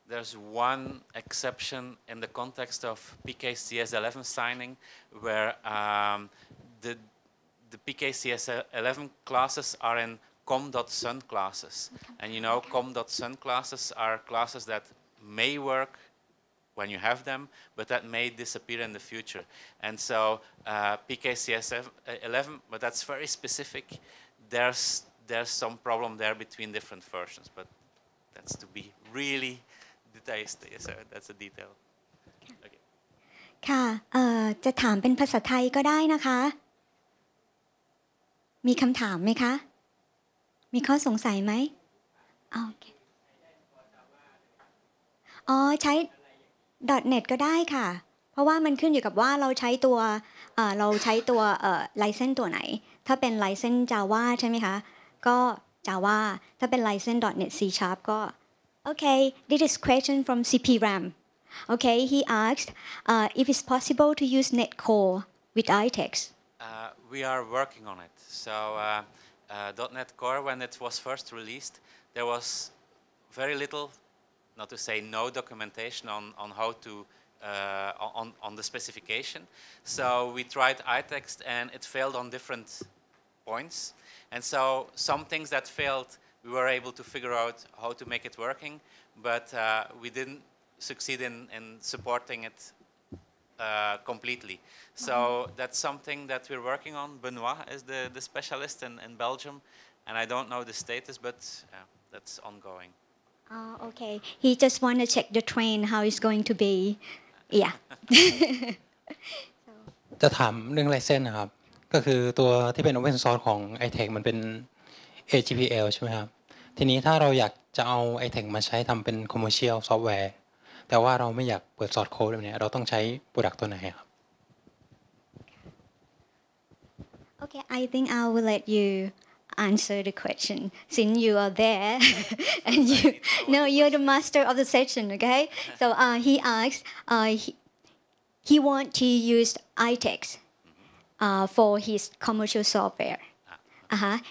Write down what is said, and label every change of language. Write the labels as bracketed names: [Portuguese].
[English] There's one exception in the context of PKCS 11 signing, where the PKCS 11 classes are in com.sun classes, and you know com.sun classes are classes that may work when you have them, but that may disappear in the future. And so PKCS 11, but that's very specific. There's some problem there between different versions, but that's to be really detailed. So that's a detail. Okay. [Thai] ค่ะจะถามเป็นภาษาไทยก็ได้นะคะมีคำถามไหมคะมีข้อสงสัยไหมโอเค อ๋อใช้ .NET ก็ได้ค่ะเพราะว่ามันขึ้นอยู่กับว่าเราใช้ตัวเราใช้ตัวlicense ตัวไหนถ้าเป็น license Java ใช่ไหมคะก็ Java ถ้าเป็น license .NET C# ก็โอเค [English] This is question from CP Ram Okay he asked if it's possible to use .NET Core with iText We are working on it so .NET Core, when it was first released, there was very little, not to say no documentation on how to on the specification. So we tried iText and it failed on different points. And so some things that failed, we were able to figure out how to make it working, but we didn't succeed in supporting it completely. So that's something that we're working on. Benoit is the specialist in Belgium, and I don't know the status, but that's ongoing. Oh, okay. He just want to check the train, how it's going to be. Yeah. [Thai] จะถามเรื่องไลเซนส์นะครับก็คือตัวที่เป็น open source ของ iText มันเป็น AGPL ใช่ไหมครับทีนี้ถ้าเราอยากจะเอา iText มาใช้ทำเป็น commercial softwareแต่ว่าเราไม่อยากเปิดซอร์สโค้ดเนี่ยเราต้องใช้โปรดักต์ตัวไหนครับ [English] Okay, I think I will let you answer the question since you are there and you know you're the master of the session, okay? So he asks, he wants to use iText for his commercial software. Uh-huh.